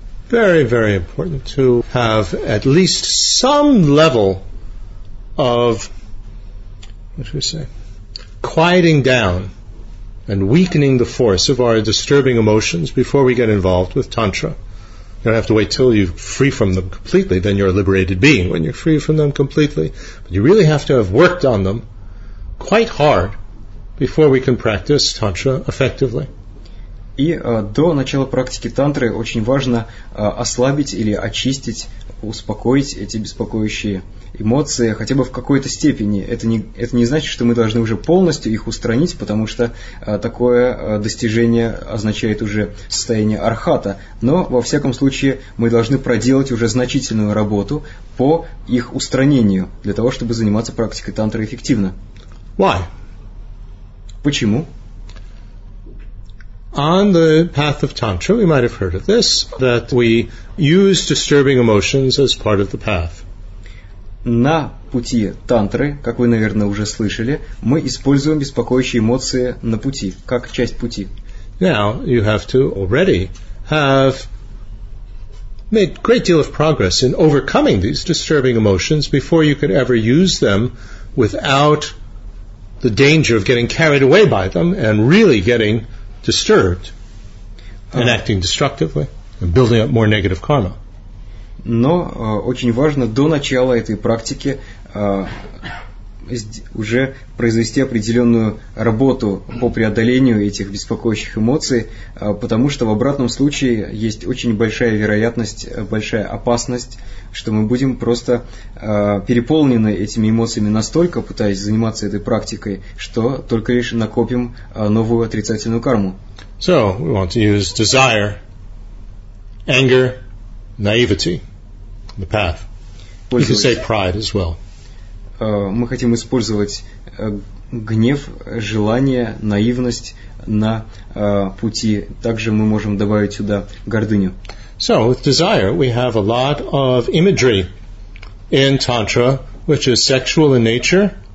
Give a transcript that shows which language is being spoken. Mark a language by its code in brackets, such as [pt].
[en] Very, very important to have at least some level of, what should we say, quieting down and weakening the force of our disturbing emotions before we get involved with tantra. You don't have to wait till you're free from them completely, then you're a liberated being when you're free from them completely. But you really have to have worked on them quite hard before we can practice tantra effectively. [ru] И до начала практики тантры очень важно ослабить или очистить, успокоить эти беспокоящие эмоции хотя бы в какой-то степени. Это не значит, что мы должны уже полностью их устранить, потому что такое достижение означает уже состояние архата. Но, во всяком случае, мы должны проделать уже значительную работу по их устранению для того, чтобы заниматься практикой тантры эффективно. [en] Why? [ru] Почему? [en] On the path of Tantra, we might have heard of this, that we use disturbing emotions as part of the path. [ru] На пути Тантры, как вы, наверное, уже слышали, мы используем беспокоящие эмоции на пути, как часть пути. [en] Now, you have to already have made great deal of progress in overcoming these disturbing emotions before you could ever use them without the danger of getting carried away by them and really getting disturbed and acting destructively. building up more negative karma. [ru] Но очень важно до начала этой практики уже произвести определенную работу по преодолению этих беспокоящих эмоций, потому что в обратном случае есть очень большая вероятность, большая опасность, что мы будем просто переполнены этими эмоциями настолько, пытаясь заниматься этой практикой, что только лишь накопим новую отрицательную карму. [en] So, we want to use desire, anger, naivety, the path. You can say pride as well. [ru] Мы хотим использовать гнев, желание, наивность на пути. Также мы можем добавить сюда гордыню. [en] So, with desire, we have a lot of imagery in Tantra, which is sexual in nature.